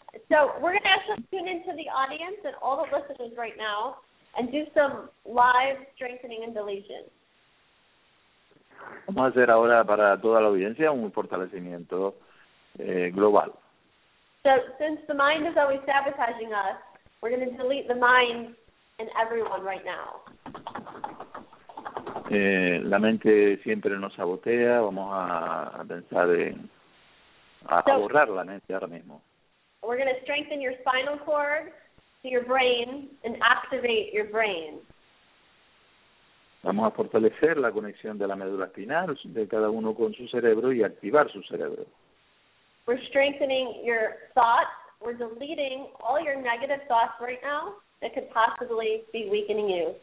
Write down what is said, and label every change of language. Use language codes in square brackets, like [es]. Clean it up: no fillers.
[en] So we're going to actually tune into the audience and all the listeners right now and do some live strengthening and deletion. [es] Vamos a hacer ahora para toda la audiencia un fortalecimiento global. [en] So, since the mind is always sabotaging us, we're going to delete the mind and everyone right now. [es] La mente siempre nos sabotea, vamos a pensar en a borrar la mente ahora mismo. [en] We're going to strengthen your spinal cord to your brain and activate your brain. [es] Vamos a fortalecer la conexión de la médula espinal de cada uno con su cerebro y activar su cerebro. [en] We're strengthening your thoughts. We're deleting all your negative thoughts right now that could possibly be weakening you.